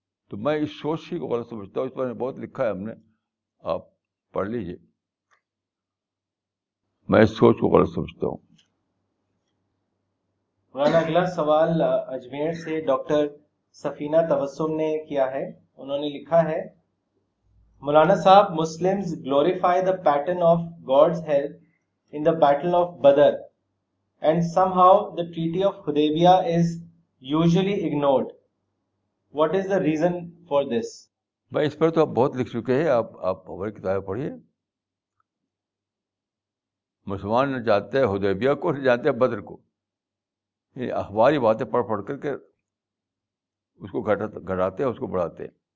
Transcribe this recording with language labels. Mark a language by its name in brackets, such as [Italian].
[Urdu] تو میں اس سوچ ہی کو غلط سمجھتا ہوں. اس پر بہت لکھا ہے ہم نے, آپ پڑھ لیجئے. میں سوچ کو غلط سمجھتا ہوں. مولانا اگلا سوال اجمیر سے ڈاکٹر سفینہ تبسم نے کیا ہے. انہوں نے لکھا ہے, [English] مولانا صاحب، Muslims glorify the pattern of God's help in the battle of Badr, and somehow the treaty of Hudaibiya is usually ignored, what is the reason for this? [Urdu] بھائی اس پر تو آپ بہت لکھ چکے ہیں، آپ ہماری کتابیں پڑھیے. مسلمان نہ جانتے ہیں حدیبیہ کو، نہ جانتے ہیں بدر کو، یعنی اخباری باتیں پڑھ پڑھ کر کے اس کو گھٹاتے ہیں، اس کو بڑھاتے ہیں.